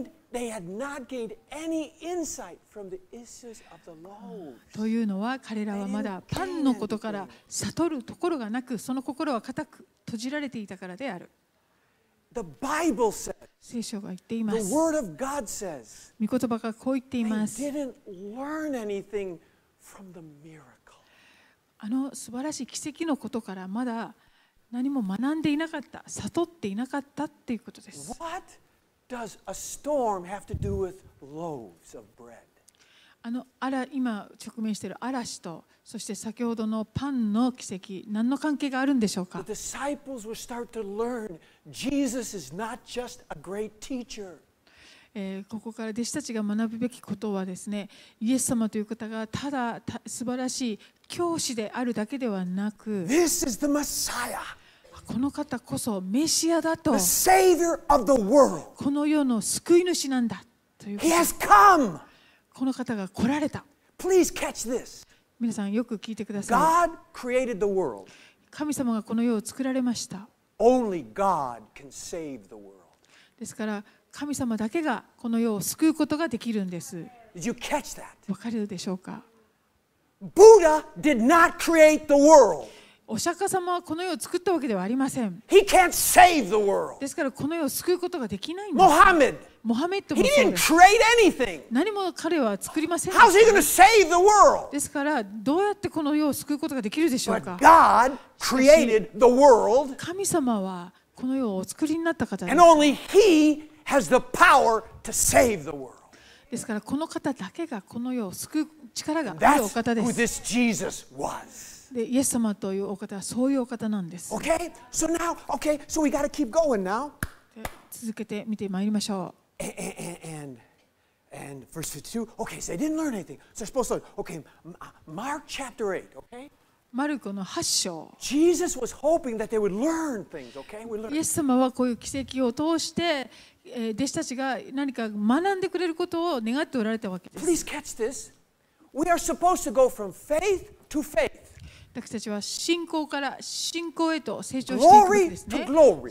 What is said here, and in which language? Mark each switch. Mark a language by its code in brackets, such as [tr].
[en] They had not gained any insight from the issues of the law. [ja] というのは彼らはまだパンのことから悟るところがなく、その心は固く閉じられていたからである。 [en] The Bible says, [ja] 聖書が言っています。 [en] The word of God says, [ja] 御言葉がこう言っています。 [en] They didn't learn anything from the miracle. [ja] 素晴らしい奇跡のことからまだ何も学んでいなかった、悟っていなかったっていうことです。 [en] What? Does a storm have to do with loaves of bread? [ja] 今直面している嵐と、そして先ほどのパンの奇跡、何の関係があるんでしょうか？ [en] The disciples will start to learn Jesus is not just a great teacher. [ja] ここから弟子たちが学ぶべきことはですね、イエス様という方がただ素晴らしい教師であるだけではなく、 [en] This is the Messiah. [ja] この方こそメシアだと、 [en] The Savior of the world. [ja] この世の救い主なんだということ。 [en] He has come. [ja] この方が来られた。 [en] Please catch this. [ja] 皆さんよく聞いてください。 [en] God created the world. [ja] 神様がこの世を作られました。 [en] Only God can save the world. [ja] ですから神様だけがこの世を救うことができるんです。 [en] Did you catch that? [ja] わかるでしょうか。 [en] Buddha did not create the world. [ja] お釈迦様はこの世を作ったわけではありません。 [en] He can't save the world. [ja] ですからこの世を救うことができないんです。 [en] Mohammed. [ja] モハメッド [en] も。He didn't create anything. [ja] 何も彼は作りません。 [en] How's he going to save the world? [ja] ですからどうやってこの世を救うことができるでしょうか。 [en] But God created the world. [ja] 神様はこの世をお作りになった方です。 [en] And only He has the power to save the world. [ja] ですからこの方だけがこの世を救う力があるお方です。 [en] That's who this Jesus was. [ja] でイエス様というお方はそういうお方なんです。 [en] Okay, so now, okay, so we gotta keep going now. [ja] 続けて見てまいりましょう。 [en] And verse 52. Okay, so they didn't learn anything. So I suppose, okay, Mark chapter 8, okay? [ja] マルコの8章。 [en] Jesus was hoping that they would learn things, okay? We [ja] learn. イエス様はこういう奇跡を通して弟子たちが何か学んでくれることを願っておられたわけです。 [en] Please catch this. We are supposed to go from faith to faith. [ja] 私たちは信仰から信仰へと成長していくんですね。 [en] Glory to